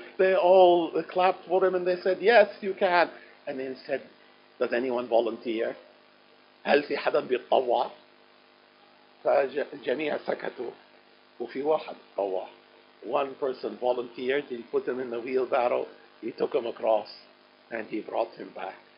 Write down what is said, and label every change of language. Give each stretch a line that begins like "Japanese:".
English: They all clapped for him and they said yes you can. And then said, does anyone volunteer?
Arabic: هل في حدا بيتطوع؟ فجميع سكتوا وفي واحد تطوع.
English: One person volunteered. He put him in the wheelbarrow. He took him across and he brought him back.